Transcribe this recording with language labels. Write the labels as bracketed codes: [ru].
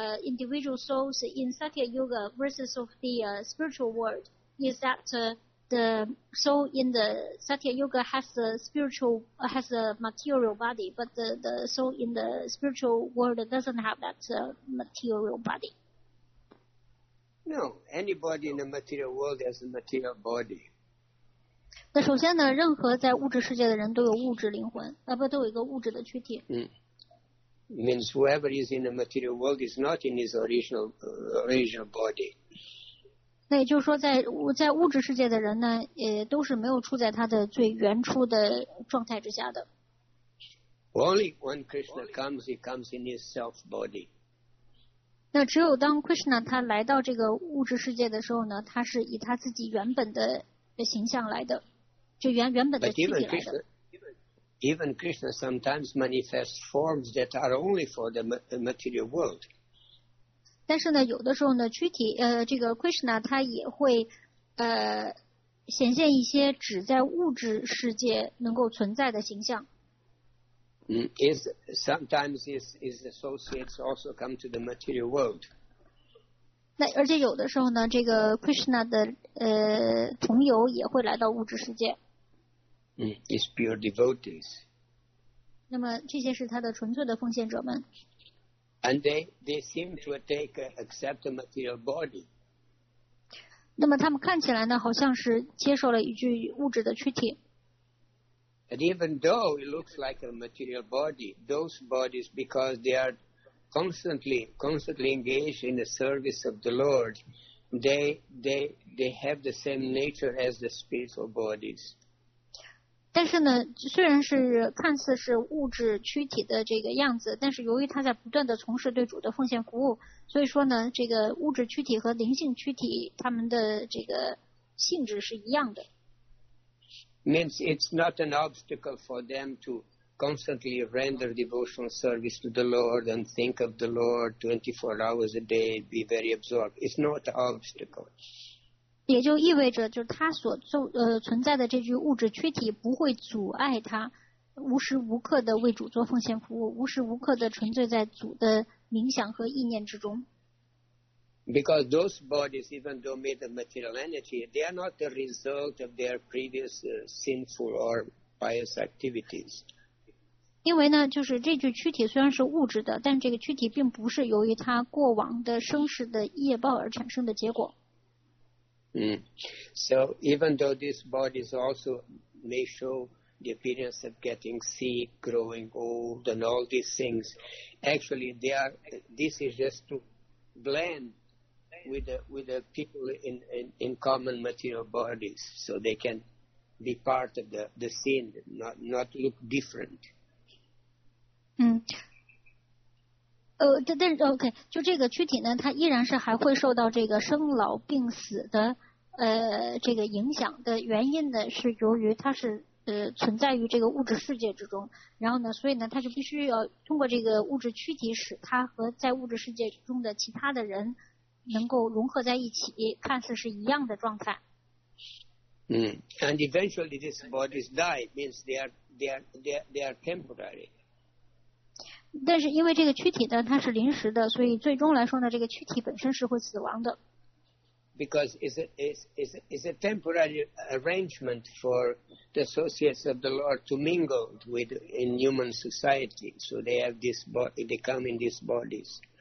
[en] individual souls in Satya Yoga versus of the spiritual world is that the soul in the Satya Yoga has a material body, but the soul in the spiritual world doesn't have that material body. No, anybody in the material world has a material body. [zh] 那首先呢，任何在物质世界的人都有物质灵魂，都有一个物质的躯体。 [en] Means whoever is in the material world is not in his original body. [zh] 那也就是说在物质世界的人呢也都是没有处在他的最原初的状态之下的。 [en] Only when Krishna comes, he comes in his self body. [zh] 那只有当 Krishna 他来到这个物质世界的时候呢，他是以他自己原本的形象来的，就原本的躯体来的。 [en] Even Krishna sometimes manifests forms that are only for the material world. [zh] 但是呢，有的时候呢，躯体这个 Krishna 他也会显现一些只在物质世界能够存在的形象。 [en] Sometimes his associates also come to the material world. [zh] 那而且有的时候呢，这个 Krishna 的同游也会来到物质世界。 [en] It's pure devotees. [zh] 那么这些是他的纯粹的奉献者们。 [en] And they seem to accept the material body. [zh] 那么他们看起来呢，好像是接受了一具物质的躯体。 [en] And even though it looks like a material body, those bodies, because they are constantly engaged in the service of the Lord, they have the same nature as the spiritual bodies. [zh] 但是呢，虽然是看似是物质躯体的这个样子，但是由于他在不断的从事对主的奉献服务，所以说呢，这个物质躯体和灵性躯体他们的这个性质是一样的。 [en] means it's not an obstacle for them to constantly render devotional service to the Lord and think of the Lord 24 hours a day, be very absorbed. It's not an obstacle. [zh] 也就意味着就是他所存在的这具物质躯体不会阻碍他无时无刻的为主做奉献服务，无时无刻的沉醉在主的冥想和意念之中。 [en] Because those bodies, even though made of material energy, they are not the result of their previous sinful or pious activities. [zh] 因为呢，就是这具躯体虽然是物质的，但这个躯体并不是由于他过往的生世的业报而产生的结果。 [en] So even though these bodies also may show the appearance of getting sick, growing old, and all these things, actually they are. This is just to blend with the people in common material bodies, so they can be part of the scene, not look different. [zh] 但是 OK， 就这个躯体呢，它依然是还会受到这个生老病死的。这个影响的原因呢，是由于它是存在于这个物质世界之中，然后呢，所以呢，它就必须要通过这个物质躯体，使它和在物质世界中的其他的人能够融合在一起，看似是一样的状态。 [en] And eventually these bodies die, means they are temporary. [zh] 但是因为这个躯体呢，它是临时的，所以最终来说呢，这个躯体本身是会死亡的。 [en] Because it's a temporary arrangement for the associates of the Lord to mingle with in human society, so they have this body, they come in these bodies.